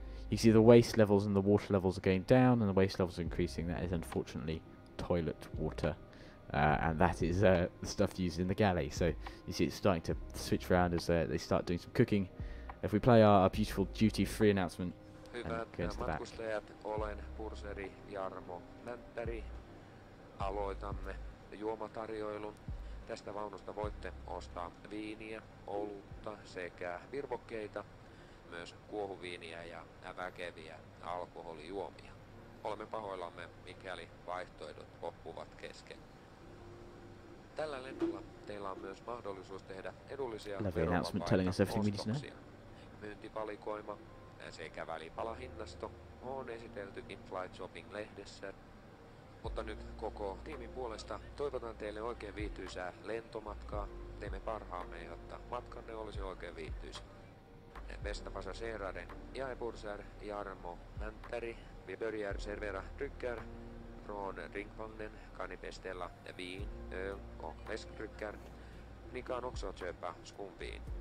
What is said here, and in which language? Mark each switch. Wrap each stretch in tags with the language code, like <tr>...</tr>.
<en>You see the waste levels and the water levels are going down and the waste levels are increasing. That is unfortunately toilet water. And that is the stuff used in the galley. So you see it's starting to switch around as they start doing some cooking. If we play our beautiful duty-free announcement,</en> <fi>hyvät matkustajat, olen purseri Jarmo Länttäri. Aloitamme juomatarjoilun. Tästä vaunusta voitte ostaa viiniä, olutta sekä virvokkeita, myös kuohuviiniä ja väkeviä alkoholijuomia. Olemme pahoillamme, mikäli vaihtoehdot loppuvat kesken. Tällä lennolla teillä on myös mahdollisuus tehdä edullisia verovapaita myyntivalikoima sekä välipalahinnasto on esitelty Flight Shopping-lehdessä. Mutta nyt koko tiimin puolesta toivotan teille oikein viihtyisää lentomatkaa. Teemme parhaamme, jotta matkanne olisi oikein viihtyisä.</fi> <sv>Bästa passagerare, jag är bursar Jarmo Länttäri. Vi börjar servera drycker från drinkvagnen. Kan ni beställa vin, öl och läskdrycker. Ni kan också köpa skumvin.</sv>